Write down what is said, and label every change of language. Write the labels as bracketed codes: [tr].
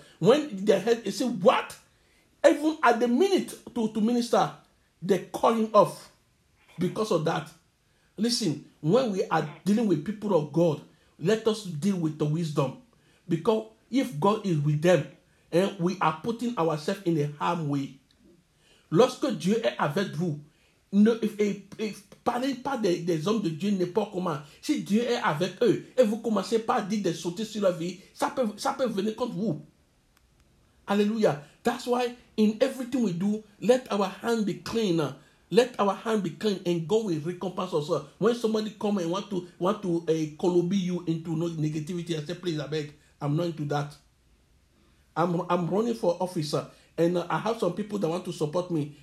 [en] When they heard, he said, what? Even at the minute to minister, they call him off because of that. Listen, when we are dealing with people of God, let us deal with the wisdom. Because if God is with them, and we are putting ourselves in a harm way. [fr] Lorsque Dieu est avec vous, ne parlez pas des hommes de Dieu n'importe comment. Si Dieu est avec eux et vous commencez pas à dire des sautés sur leur vie, ça peut venir contre vous. Alléluia. [en] That's why in everything we do, let our hand be clean. Let our hand be clean and God will recompense us. When somebody come and want to colobe you into negativity, I say, please, I beg. I'm not into that. I'm running for office. And I have some people that want to support me.